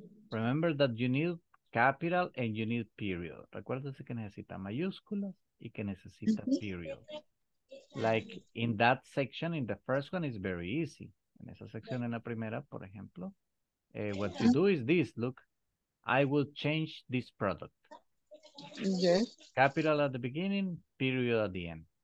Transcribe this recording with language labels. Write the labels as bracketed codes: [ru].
[en] Remember that you need capital and you need period. [es] Recuérdese que necesita mayúsculas y que necesita period. [en] Like in that section, in the first one, it's very easy. [es] En esa sección, en la primera, por ejemplo, [en] what you do is this, look, I will change this product. Yes. Capital at the beginning, period at the end.